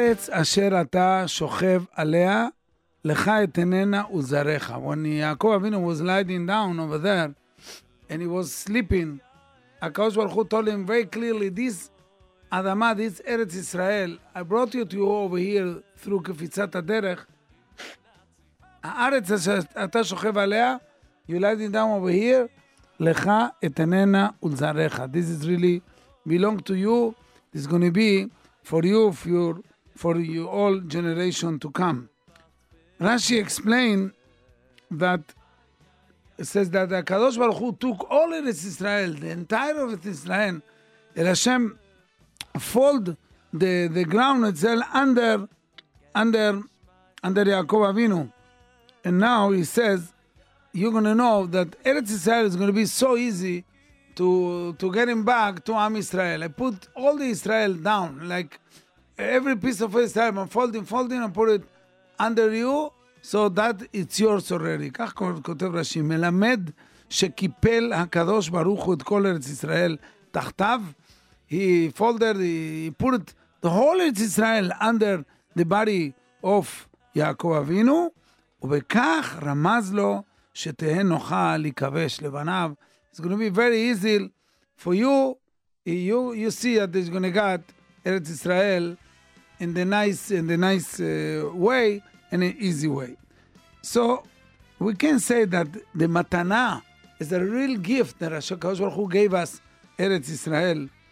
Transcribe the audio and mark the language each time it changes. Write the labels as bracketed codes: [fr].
[he] אשר אתה שוכב עליה, לך אתננה וזרעך. [en] When Yaakov Avinu was lying down over there, and he was sleeping, HaKadosh Baruch Hu told him very clearly, this Adama, this Eretz Israel, I brought you to you over here through Kefitzat HaDerech. [he] הארץ אשר אתה שוכב עליה, [en] you lying down over here, [he] לך אתננה וזרעך. [en] This is really belong to you. This is going to be for you, for you all generation to come. Rashi explained that, it says that the Kadosh Baruch Hu took all of Israel, the entire of Israel, and Hashem fold the ground itself under Yaakov Avinu. And now he says, you're going to know that Eretz Israel is going to be so easy to get him back to Am Israel. I put all the Israel down, like, every piece of Israel, I'm folding, and put it under you, so that it's yours already. [he] כך כותב רשי, מלמד שקיפל הקדוש ברוך הוא את כל ארץ ישראל תחתיו. [en] He folded, he put the whole ארץ ישראל under the body of יעקב אבינו, [he] ובכך רמז לו שתהן נוחה לכבש לבניו. [en] It's going to be very easy for you. You see that it's going to get ארץ ישראל in the nice way, in an easy way. So we can say that the matana is a real gift that HaKadosh Baruch Hu gave us Eretz Israel.